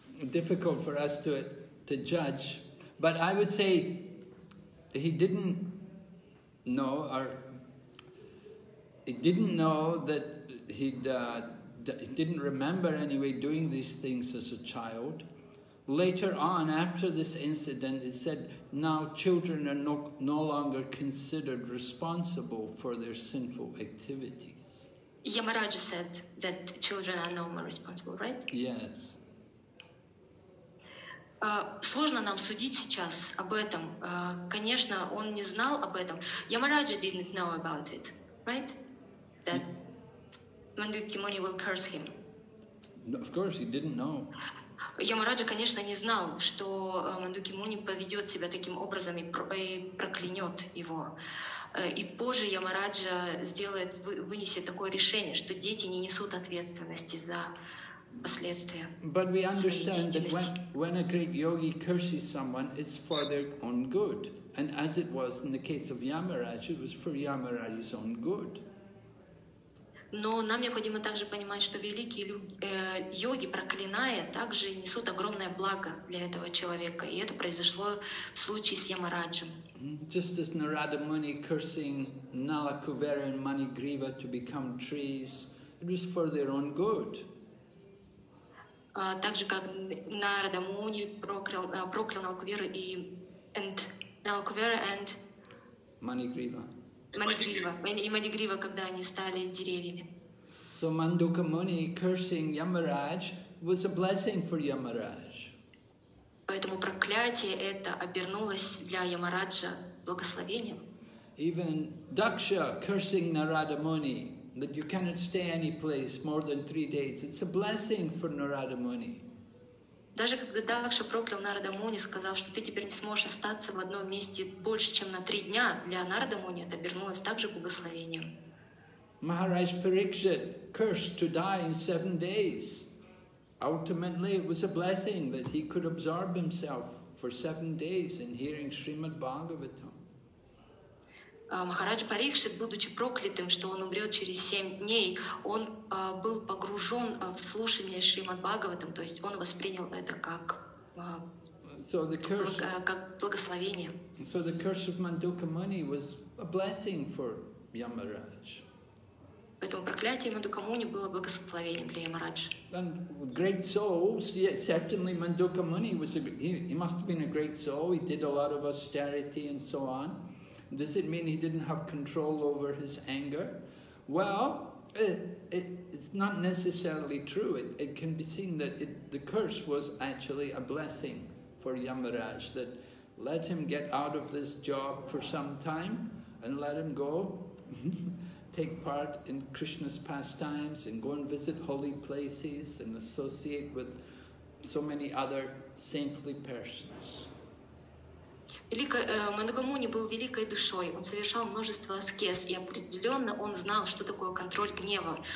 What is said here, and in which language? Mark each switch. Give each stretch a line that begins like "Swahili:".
English: Difficult for us to judge, but I would say he didn't know, or he didn't know that he didn't remember anyway doing these things as a child. Later on, after this incident, it said now children are no longer considered responsible for their sinful activities. Yamaraja said that children are no more responsible, right? Yes.
Russian: Сложно нам судить сейчас об этом. Конечно, он не знал об этом.
English: Yamaraja didn't know about it, right? That Mandukya Muni will curse him. No, of course, he didn't know.
Russian: Yamaraja, конечно, не знал, что Mandukya Muni поведет себя таким образом и проклянет его. И позже Yamaraja сделает, вынесет такое решение, что дети не несут ответственности за...
English: But we understand that when a great yogi curses someone, it's for their own good. And as it was in the case of Yamaraj, it was for Yamaraj's own good.
Russian: Но нам необходимо также понимать, что великие йоги, проклиная, также несут огромное благо для этого человека. И это произошло в случае с Ямараджем.
English: Just as Narada Muni cursing Nala Kuvera and Mani Griva to become trees, it was for their own good.
Russian: Так же, как Нарада Муни проклял Налкуверу и Налкуверу and Манигрива. Манигрива. И Манигрива, когда они стали деревьями.
English: So Mandukya Muni cursing Yamaraj was a blessing for Yamaraj.
Russian: Поэтому проклятие это обернулось для Ямараджа благословением.
English: Even Daksha cursing Narada Muni. That you cannot stay any place more than 3 days. It's a blessing for Narada Muni.
Russian: Даже когда Дакша проклял Нарада Муни, сказав, что ты теперь не сможешь остаться в одном месте больше, чем на 3 дня, для Нарада Муни это обернулось также благословением.
English: Maharaj Parikshit cursed to die in 7 days. Ultimately, it was a blessing that he could absorb himself for 7 days in hearing Srimad Bhagavatam.
Russian: Махарадж Парикшит, будучи проклятым, что он умрет через 7 дней, он был погружен в слушание Шримад Бхагаватам, то есть он воспринял это как, как благословение.
English: So the curse of Mandukha Muni was a blessing for Yamaraj.
Russian: Поэтому проклятие Мандука Муни было благословением для Ямарадж.
English: And great souls, yes, certainly Mandukha Muni was a, he must have been a great soul. He did a lot of austerity and so on. Does it mean he didn't have control over his anger? Well, it's not necessarily true. It can be seen that the curse was actually a blessing for Yamaraj, that let him get out of this job for some time and let him go take part in Krishna's pastimes and go and visit holy places and associate with so many other saintly persons.
Russian: Мандука Муни был великой душой, он совершал множество аскез, и определенно он знал, что такое контроль гнева.